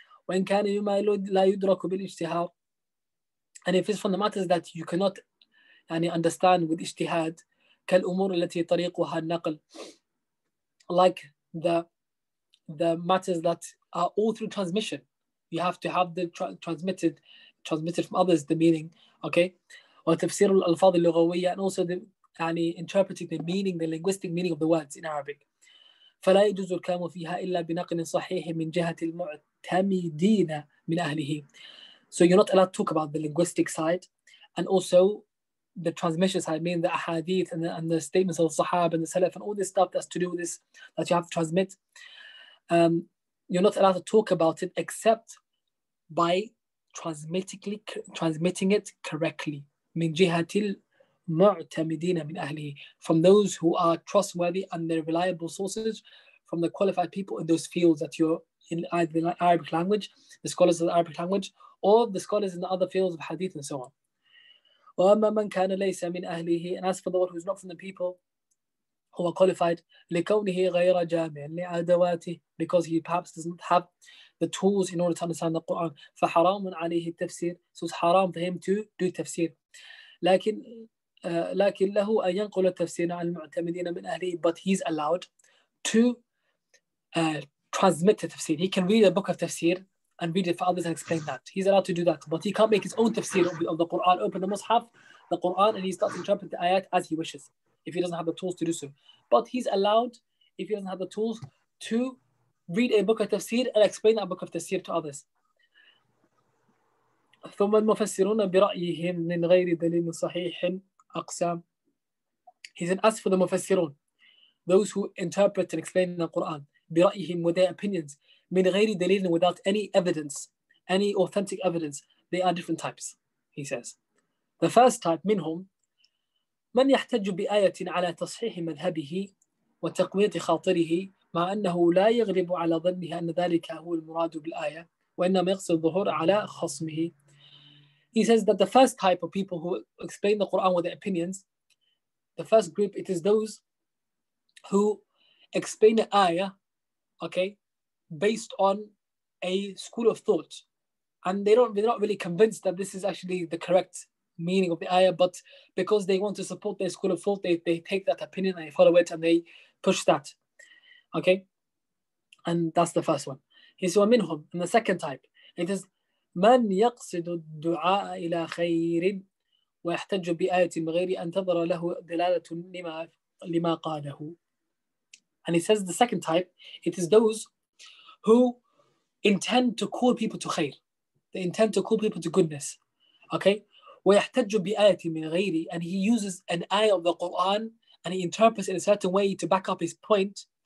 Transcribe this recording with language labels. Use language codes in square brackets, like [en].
[ar] وإن كان يما لا يدرك بالاجتهاد, [en] and if it's from the matters that you cannot يعني understand with اجتهاد, [ar] كالأمور التي طريقها النقل, [en] like the matters that are all through transmission. You have to have the transmitted from others the meaning, okay? [ar] وتفسير الألفاظ اللغوية, [en] and also the, يعني, interpreting the meaning, the linguistic meaning of the words in Arabic. [ar] فلا يجوز الكلام فيها إلا بنقل صحيح من جهة المعتمدين من أهله. [en] So you're not allowed to talk about the linguistic side and also the transmission side, meaning the ahadith and the statements of the sahaba and the salaf and all this stuff that's to do with this, that you have to transmit. You're not allowed to talk about it except by transmitting it correctly. [ar] من جهات المعتمدين من أهله, [en] from those who are trustworthy and they're reliable sources, from the qualified people in those fields that you're in, either in the Arabic language, the scholars of the Arabic language, or the scholars in the other fields of hadith and so on. [ar] وأما من كان ليس من أهله, [en] and as for the one who is not from the people who are qualified, [ar] لكونه غير جامع لأدواته, [en] because he perhaps doesn't have the tools in order to understand the Quran, [ar] فحرام عليه التفسير, [en] so it's haram for him to do tafsir. [ar] لكن له أن ينقل التفسير عن المعتمدين من أهله, [en] but he's allowed to transmit the tafsir. He can read a book of tafsir and read it for others and explain that. He's allowed to do that, but he can't make his own tafsir of the Quran, open the mushaf, the Quran, and he starts interpreting the ayat as he wishes, if he doesn't have the tools to do so. But he's allowed, if he doesn't have the tools, to read a book of tafsir and explain that book of tafsir to others. [ar] ثم المفسرون برأيهم من غير دليل صحيح أقسام. [en] He's an as for the مفسرون, those who interpret and explain the Quran, [ar] برأيهم [en] with their opinions, [ar] من غير دليل, [en] without any evidence, any authentic evidence. They are different types, he says. The first type, [ar] منهم من يحتج بآية على تصحيح مذهبه وتقوية خاطره مع أنه لا يغلب على ظنه أن ذلك هو المراد بالآية وإنما يقصد الظهور على خصمه. [en] He says that the first type of people who explain the Quran with their opinions, the first group, it is those who explain the ayah, okay, based on a school of thought. And they're not really convinced that this is actually the correct meaning of the ayah, but because they want to support their school of thought, they take that opinion and they follow it and they push that. Okay? And that's the first one. He says, [ar] وَمِنْهُمْ. [en] And the second type, it is, [ar] من يقصد الدعاء إلى خير ويحتج بآية غير أن تظهر له دلالة لما قاله. [en] And he says the second type, it is those who intend to call people to خير. They intend to call people to goodness. Okay? [ar] ويحتج بآية من غيري. [en] And he uses an ayah of the Quran and he interprets it in a certain way to back up his point.